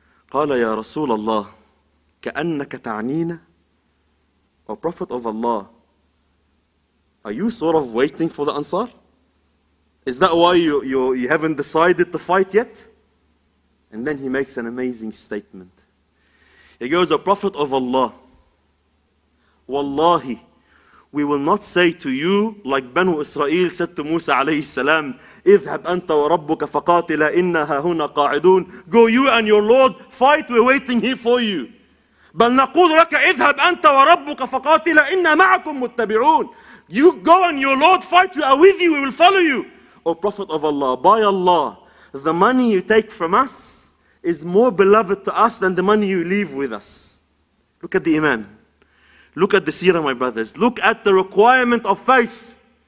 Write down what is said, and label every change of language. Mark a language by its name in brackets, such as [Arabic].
[Arabic] قال يا رسول الله كأنك تعنينا. [English] O Prophet of Allah, are you sort of waiting for the Ansar? Is that why you haven't decided to fight yet? And then he makes an amazing statement. He goes, O Prophet of Allah, wallahi, we will not say to you like Banu Israel said to Musa alayhi salam, [Arabic] اذهب أنت وربك فقاتلا إنا هاهنا قاعدون. [English] Go you and your Lord, fight, we're waiting here for you. [Arabic] بل نقول لك اذهب أنت وربك فقاتلا إنا معكم متبعون. [English] You go and your Lord fight, we are with you, we will follow you. O Prophet of Allah, by Allah, the money you take from us is more beloved to us than the money you leave with us. Look at the iman. Look at the seerah, my brothers. Look at the requirement of faith.